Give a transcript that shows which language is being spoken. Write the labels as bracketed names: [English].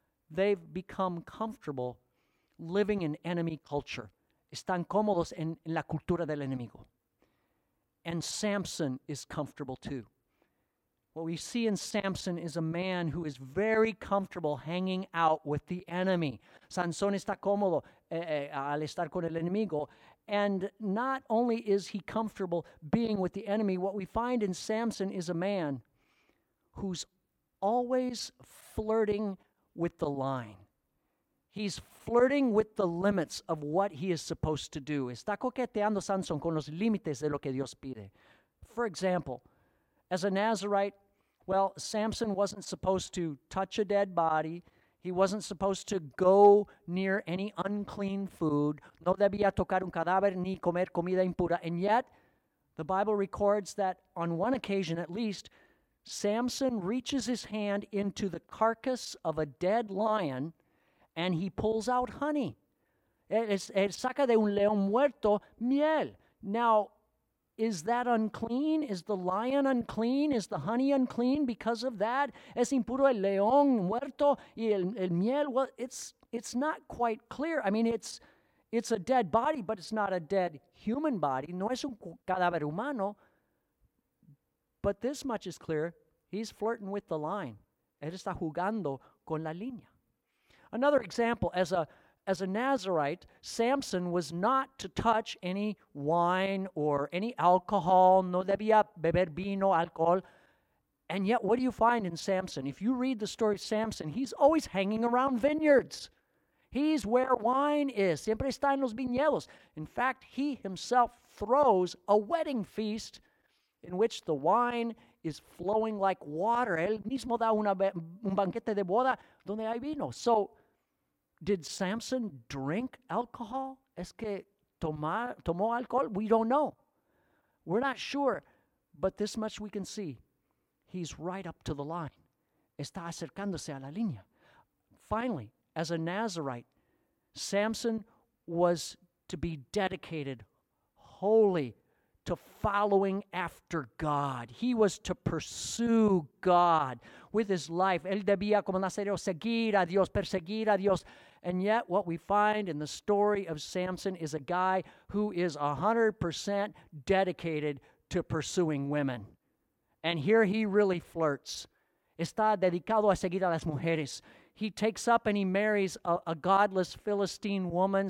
[English] They've become comfortable living in enemy culture. [Spanish] Están cómodos en la cultura del enemigo. [English] And Samson is comfortable too. What we see in Samson is a man who is very comfortable hanging out with the enemy. [Spanish] Sansón está cómodo al estar con el enemigo. [English] And not only is he comfortable being with the enemy, what we find in Samson is a man who's always flirting with the line. He's flirting with the limits of what he is supposed to do. [Spanish] Está coqueteando Sansón con los límites de lo que Dios pide. [English] For example, as a Nazirite, well, Samson wasn't supposed to touch a dead body. He wasn't supposed to go near any unclean food. [Spanish] No debía tocar un cadáver ni comer comida impura. [English] And yet, the Bible records that on one occasion at least, Samson reaches his hand into the carcass of a dead lion and he pulls out honey. [Spanish] Él saca de un león muerto miel. [English] Now, is that unclean? Is the lion unclean? Is the honey unclean because of that? [Spanish] ¿Es impuro el león muerto y el miel? [English] Well, it's not quite clear. I mean, it's a dead body, but it's not a dead human body. [Spanish] No es un cadáver humano. [English] But this much is clear. He's flirting with the line. [Spanish] Él está jugando con la línea. [English] Another example, as a Nazirite, Samson was not to touch any wine or any alcohol. [Spanish] No debía beber vino, alcohol. [English] And yet, what do you find in Samson? If you read the story of Samson, he's always hanging around vineyards. He's where wine is. [Spanish] Siempre está en los viñedos. [English] In fact, he himself throws a wedding feast in which the wine is flowing like water. [Spanish] Él mismo da un banquete de boda donde hay vino. [English] So, did Samson drink alcohol? [Spanish] ¿Es que tomó alcohol? [English] We don't know. We're not sure, but this much we can see. He's right up to the line. [Spanish] Está acercándose a la línea. [English] Finally, as a Nazirite, Samson was to be dedicated wholly to following after God. He was to pursue God with his life. [Spanish] Él debía, como Nazareo, seguir a Dios, perseguir a Dios. [English] And yet what we find in the story of Samson is a guy who is 100% dedicated to pursuing women. And here he really flirts. [Spanish] Está dedicado a seguir a las mujeres. [English] He takes up and he marries a godless Philistine woman.